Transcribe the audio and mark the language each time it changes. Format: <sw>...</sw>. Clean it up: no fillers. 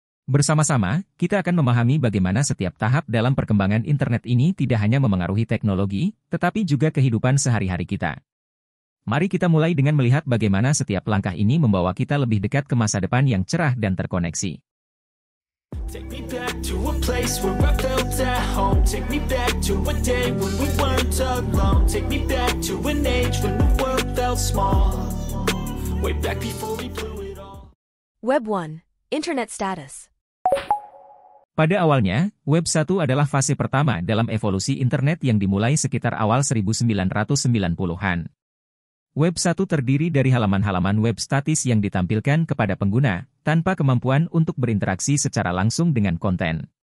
<id>Bersama-sama, kita akan memahami bagaimana setiap tahap dalam perkembangan internet ini tidak hanya memengaruhi teknologi, tetapi juga kehidupan sehari-hari kita. Mari kita mulai dengan melihat bagaimana setiap langkah ini membawa kita lebih dekat ke masa depan yang cerah dan terkoneksi.</id> <en>Take me back to a place where I felt at home. Take me back to a day when we weren't alone. Take me back to an age when the world felt small. Way back before we blew it all. Web 1, Internet Status.</en> <id>Pada awalnya, Web 1 adalah fase pertama dalam evolusi internet yang dimulai sekitar awal 1990-an. Web 1 terdiri dari halaman-halaman web statis yang ditampilkan kepada pengguna, tanpa kemampuan untuk berinteraksi secara langsung dengan konten.</id>